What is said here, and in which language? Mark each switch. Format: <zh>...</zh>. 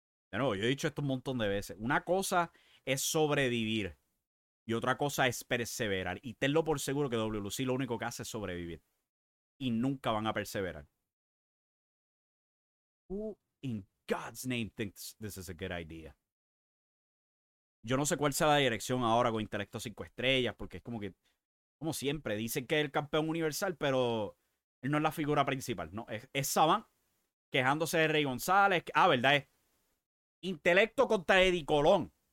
<es>De nuevo, yo he dicho esto un montón de veces. Una cosa es sobrevivir y otra cosa es perseverar. Y tenlo por seguro que WLC lo único que hace es sobrevivir. Y nunca van a perseverar.</es> <en>Who in God's name thinks this is a good idea?</en> <es>Yo no sé cuál sea la dirección ahora con Intelecto 5 Estrellas, porque es como que, como siempre, dicen que es el campeón universal, pero él no es la figura principal. No, es Savant quejándose de Rey González. Ah, verdad, es Intelecto contra Eddie Colón.</es>